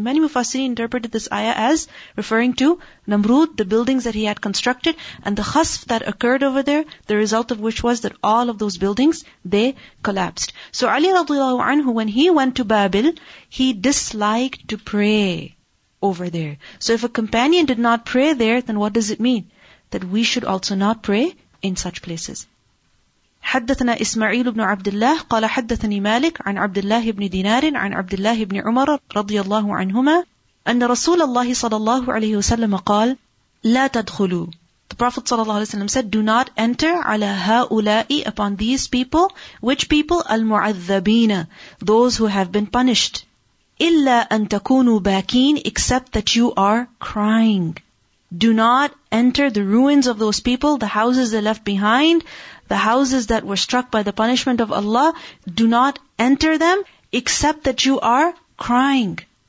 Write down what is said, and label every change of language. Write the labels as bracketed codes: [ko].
[en] Many mufassirin interpreted this ayah as referring to Namrud, the buildings that he had constructed, and the khasf that occurred over there, the result of which was that all of those buildings, they collapsed. So Ali radiallahu anhu, when he went to Babel, he disliked to pray over there. So if a companion did not pray there, then what does it mean? That we should also not pray in such places. [ar] حدثنا إسماعيل بن عبد الله قال حدثني مالك عن عبد الله بن دينار عن عبد الله بن عمر رضي الله عنهما أن رسول الله صلى الله عليه وسلم قال لا تدخلوا [en] The Prophet صلى الله عليه وسلم said Do not enter [ar] على هؤلاء [en] upon these people Which people? [ar] المعذبين [en] Those who have been punished [ar] إلا أن تكونوا باكين [en] Except that you are crying Do not enter the ruins of those people, the houses they left behind, the houses that were struck by the punishment of Allah, do not enter them except that you are crying.